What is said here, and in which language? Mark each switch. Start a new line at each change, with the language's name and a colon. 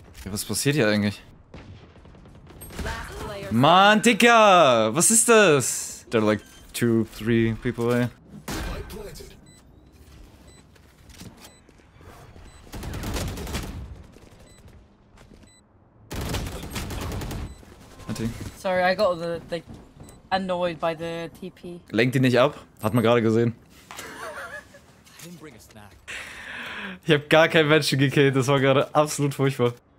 German: Was passiert hier eigentlich? Mann, Digga! Was ist das?
English: There are like 2-3 people away. Sorry, I got the annoyed by the TP.
German: Lenkt die nicht ab? Hat man gerade gesehen. Ich hab gar keinen Menschen gekillt, das war gerade absolut furchtbar.